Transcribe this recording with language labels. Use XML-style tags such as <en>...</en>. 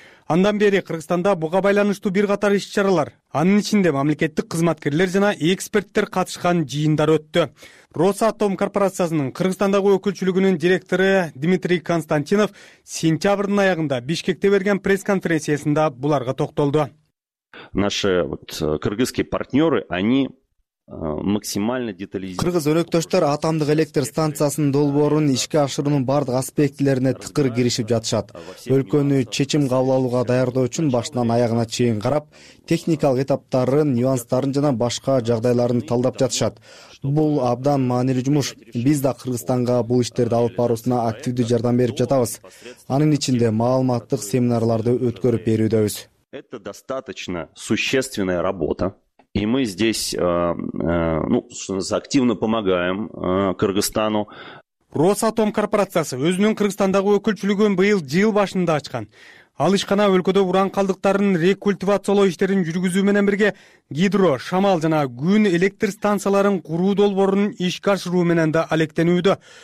<ky>Андан бери Кыргызстанда буга байланыштуу бир катар иш-чаралар, анын ичинде мамлекеттик кызматкерлер жана эксперттер катышкан жыйындар өттү. Росатом корпорациясынын Кыргызстандагы өкүлчүлүгүнүн директору Дмитрий Константинов сентябрдын аягында Бишкекте берген пресс-конференциясында буларга токтолду.</ky> <ru>Наши кыргызские партнеры, они максимально детализировать.</ru> <ky>Кыргыз өнөктөштөр атомдук электр станциясынын долбоорун ишке ашыруунун бардык аспектилерине тыкыр киришип жатышат. Өлкөнү чечим кабыл алууга даярдоо үчүн башынан аягына чейин карап, техникалык этаптарын, нюанстарын жана башка жагдайларын талдап жатышат. Бул абдан маанилүү жумуш. Биз да Кыргызстанга бул иштерди алып баруусуна активдүү жардам берип жатабыз. Анын ичинде маалыматтык семинарларды өткөрүп берүүдөбүз.</ky> <ru>Это достаточно существенная работа. И мы здесь, активно помогаем Кыргызстану.</ru> <ky>Росатом корпорациясы өзүнүн Кыргызстандагы өкүлчүлүгүн быйыл жыл башында ачкан. Ал ишкана өлкөдө уран калдыктарын рекультивациялоо иштерин жүргүзүү менен бирге гидро, шамал жана күн электр станцияларын куруу долбоорун ишке ашыруу менен да алектенүүдө.</ky>